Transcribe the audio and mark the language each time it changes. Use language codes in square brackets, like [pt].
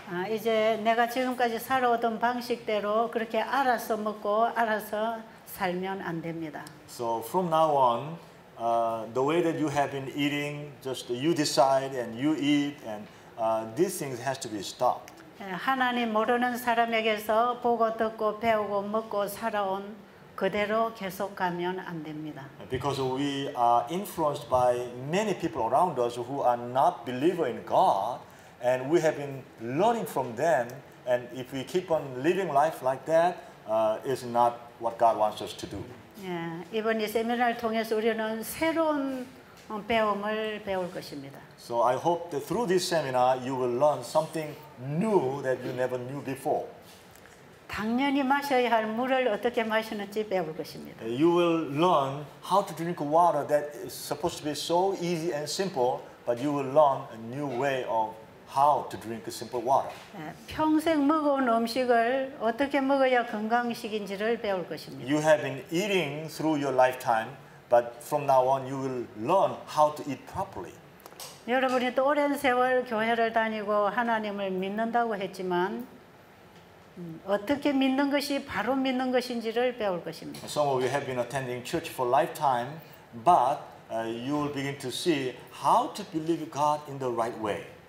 [ko] 이제 내가 지금까지 살아오던 방식대로 그렇게 알아서 먹고 알아서 살면 안 됩니다. [en] So from now on, the way that you have been eating, just you decide and you eat, and these things has to be stopped. [ko] 하나님 모르는 사람에게서 보고 듣고 배우고 먹고 살아온 그대로 계속 가면 안 됩니다. [en] Because we are influenced by many people around us who are not believer in God, and we have been learning from them. And if we keep on living life like that, is not what God wants us to do. [ko] 예, 이번 이 세미나를 통해서 우리는 새로운 배움을 배울 것입니다. [en] So I hope that through this seminar you will learn something new that you never knew before. [ko] 당연히 마셔야 할 물을 어떻게 마시는지 배울 것입니다. [en] You will learn how to drink water that is supposed to be so easy and simple, but you will learn a new way of how to drink simple water. [ko] 평생 먹어온 음식을 어떻게 먹어야 건강식인지를 배울 것입니다. [en] You have been eating through your lifetime, but from now on you will learn how to eat properly. [ko] 여러분이 또 오랜 세월 교회를 다니고 하나님을 믿는다고 했지만 어떻게 믿는 것이 바로 믿는 것인지를 배울 것입니다. [en] Some of you have been attending church for a lifetime, but you will begin to see how to believe God in the right way.